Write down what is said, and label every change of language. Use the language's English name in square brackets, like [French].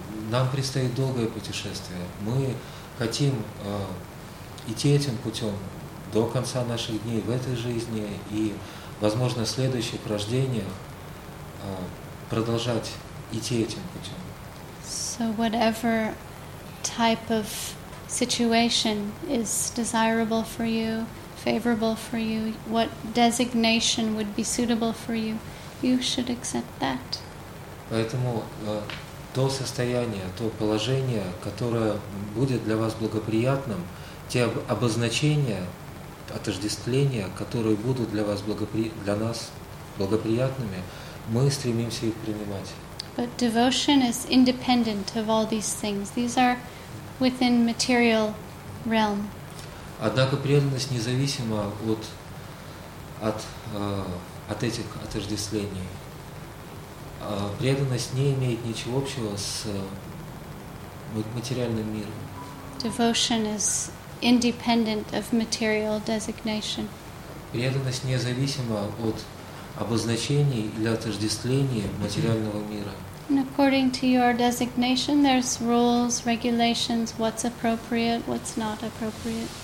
[Russian] Нам предстоит долгое путешествие. Мы хотим идти этим путем до конца наших дней в этой жизни и, возможно, в следующих рождениях продолжать идти этим путем. [English] So whatever type of situation is desirable for you, favorable for you, what designation would be suitable for you, you should accept that. [Russian] Поэтому то состояние, то положение, которое будет для вас благоприятным, те обозначения, отождествления, которые будут для вас для нас благоприятными, мы стремимся их принимать. [English] But devotion is independent of all these things. These are within material realm. [Russian] Однако преданность независима от этих отождествлений. Преданность не имеет ничего общего с материальным миром. [English] Devotion is independent of material designation. [Russian] Преданность независима от обозначений или отождествлений материального мира. [English] And according to your designation, there's rules, regulations, what's appropriate, what's not appropriate.